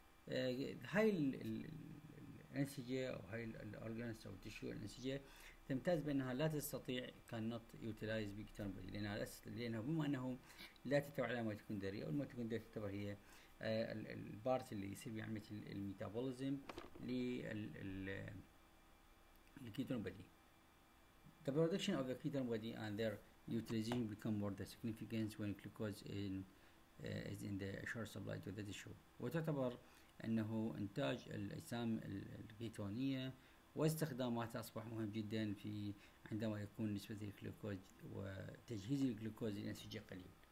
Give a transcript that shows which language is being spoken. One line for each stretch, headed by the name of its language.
Arabic: هاي الانسجه او هاي الاورجانس او التشو الانسجه تمتاز بانها لا تستطيع كانت
English: utilize بكتون body,
Arabic: لانها بما انه لا تحتوي على ميتوكوندريا, والميتوكوندريا تعتبر هي البارت اللي يصير بيعمل مثل الميتابوليزم للكيتون بودي.
English: The production of the ketone body and their utilization become more significant when glucose in is in the short supply to the tissue.
Arabic: وتعتبر أنه إنتاج الأجسام الكيتونية واستخداماتها أصبح مهم جدا في عندما يكون نسبة الجلوكوز وتجهيز الجلوكوز للأنسجة قليل.